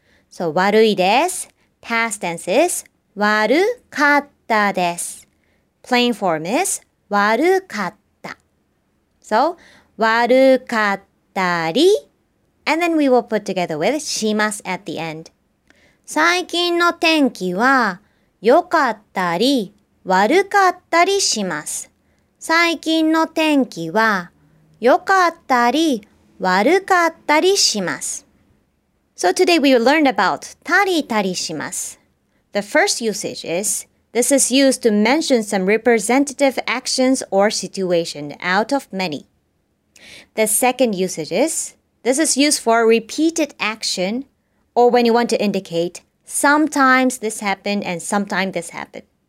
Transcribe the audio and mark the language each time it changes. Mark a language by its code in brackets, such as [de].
[en] So, [ja] 悪いです. [en] Past tense is [ja] 悪かったです. [en] Plain form is [ja] 悪かった. [en] So, [ja] 悪かったり. [en] And then we will put together with します at the end. [ja] 最近の天気は良かったり悪かったりします。最近の天気は良かったり悪かったりします。 [en] So today we learned about [ja] たりたりします。 [en] The first usage is, this is used to mention some representative actions or situation out of many. The second usage is, this is used for repeated action or when you want to indicate sometimes this happened and sometimes this happened.